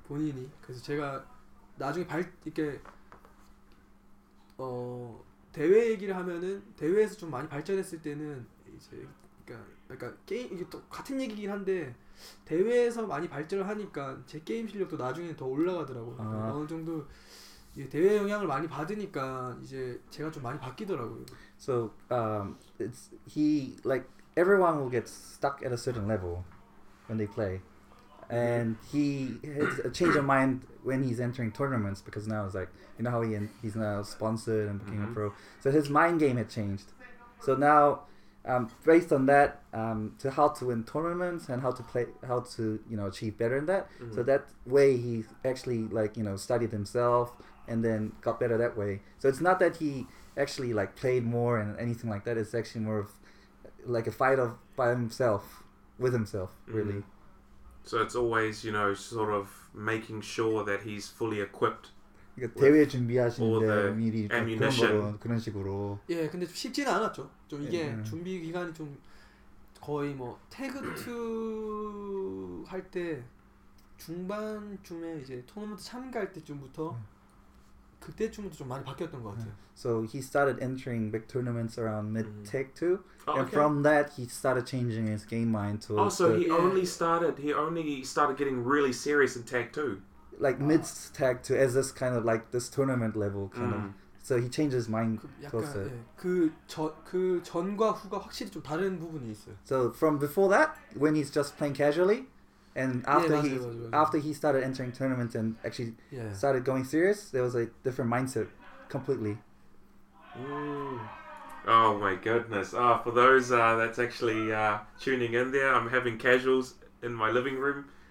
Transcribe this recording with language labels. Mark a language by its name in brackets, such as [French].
[Korean] 본인이 그래서 제가 나중에 이렇게 대회 얘기를 하면은 대회에서 좀 많이 발전했을 때는 이제 그러니까 게임 이게 또 같은 얘기긴 한데 대회에서 많이 발전을 하니까 제 게임 실력도 나중에는 더 올라가더라고요. 아. 그러니까 어느 정도 이제 대회 영향을 많이 받으니까 이제 제가 좀 많이 바뀌더라고요. [English] So it's he like everyone will get stuck at a certain level when they play, and he has a change of mind when he's entering tournaments because now it's like you know how he's now sponsored and became a pro. So his mind game had changed. So now. Based on that, to how to win tournaments and how to play, how to you know achieve better in that. Mm-hmm. So that way he actually like you know studied himself and then got better that way. So it's not that he actually like played more and anything like that. It's actually more of like a fight of by himself with himself, really. Mm-hmm. So it's always you know sort of making sure that he's fully equipped. [Korean] 대회 준비하시는데 미리 그런 식으로. 예, 근데 좀 쉽지는 않았죠. 좀 이게 예. 준비 기간이 좀 거의 뭐 태그 2 할 때 중반쯤에 이제 토너먼트 참가할 때쯤부터 그때쯤부터 좀 많이 바뀌었던 것 같아요. [English] So he started entering big tournaments around mid tech 2 okay. and from that he started changing his game mind to. Oh, so he only started getting really serious in tech 2. Like mid tag to as this kind of like this tournament level kind of, so he changes his mind. [Korean] 약간 예, 그 그 전과 후가 확실히 좀 다른 부분이 있어요. [English] So from before that, when he's just playing casually, and after [Korean] 예, 맞아요, [English] after he started entering tournaments and actually started going serious, there was a different mindset, completely. Oh my goodness! Oh, for those that's actually tuning in there, I'm having casuals in my living room.